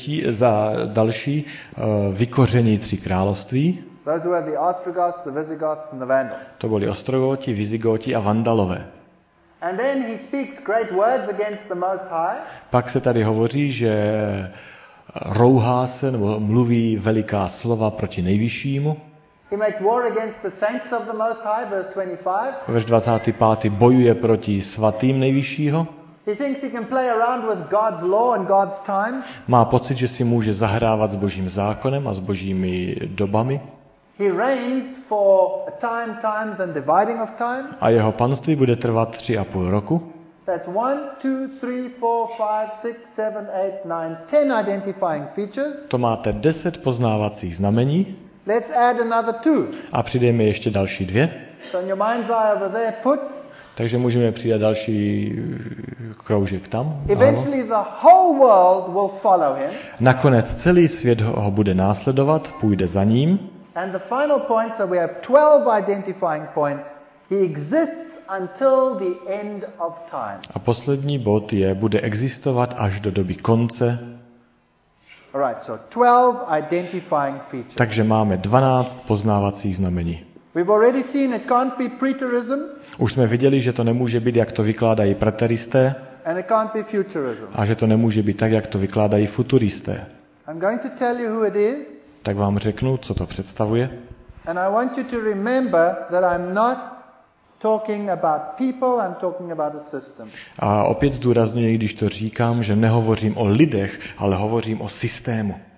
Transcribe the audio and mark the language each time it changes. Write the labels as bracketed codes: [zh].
[cs] Za další vykoření tří království. [en] Those were the Ostrogoths, the Visigoths and the Vandals. [cs] To byli Ostrogoti, Visigoti a Vandalové. [en] And then he speaks great words against the Most High. [cs] Pak se tady hovoří, že rouhá se nebo mluví veliká slova proti Nejvyššímu. [en] He makes war against the saints of the Most High, verse 25. [cs] Verš 25. bojuje proti svatým Nejvyššího. [en] He thinks he can play around with God's law and God's time. [cs] Má pocit, že si může zahrávat s Božím zákonem a s Božími dobami. [en] He reigns for a time, times and dividing of time. [cs] A jeho panství bude trvat 3,5 roku. [en] That's 1, 2, 3, 4, 5, 6, 7, 8, 9, 10 identifying features. [cs] To máte 10 poznávacích znamení. [en] Let's add another two. [cs] A přidejme ještě další dvě. [en] So in your mind's eye over there, put. [cs] Takže můžeme přidat další kroužek tam. [en] Eventually the whole world will follow him. [cs] Nakonec celý svět ho bude následovat, půjde za ním. [en] And the final point, so we have 12 identifying points. He exists until the end of time. [cs] A poslední bod je, bude existovat až do doby konce. [en] All right, so 12 identifying features. [cs] Takže máme 12 poznávacích znamení. [en] We've already seen it can't be preterism. [cs] Už jsme viděli, že to nemůže být, jak to vykládají preteristé. [en] And it can't be futurism. [cs] A že to nemůže být tak, jak to vykládají futuristé. [en] I'm going to tell you who it is. [cs] Tak vám řeknu, co to představuje. [en] And I want you to remember that I'm not talking about people, I'm talking about a system. [cs] A opět zdůrazňuji, když to říkám, že nehovořím o lidech, ale hovořím o systému.